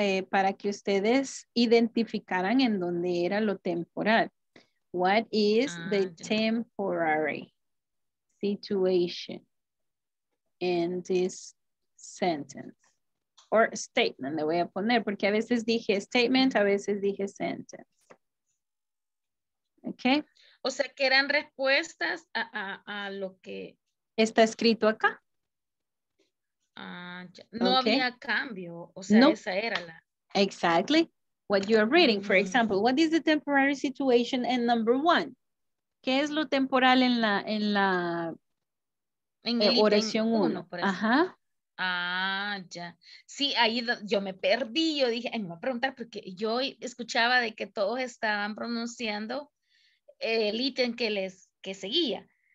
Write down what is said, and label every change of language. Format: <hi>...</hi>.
<es>Para que ustedes identificaran en dónde era lo temporal.</es> <en>What is the temporary situation in this sentence? Or statement,</en> <es>le voy a poner, porque a veces dije statement, a veces dije sentence. Okay. O sea, que eran respuestas a lo que... Está escrito acá. No okay. Había cambio, o sea, nope. Esa era la...</es> <en>Exactly. What you are reading, for example, what is the temporary situation and number one?</en> <es>¿Qué es lo temporal en la, en la en el oración item uno? Por ajá. Ah, ya. Sí, ahí yo me perdí, yo dije, ay, me voy a preguntar porque yo escuchaba de que todos estaban pronunciando el ítem que seguía.</es>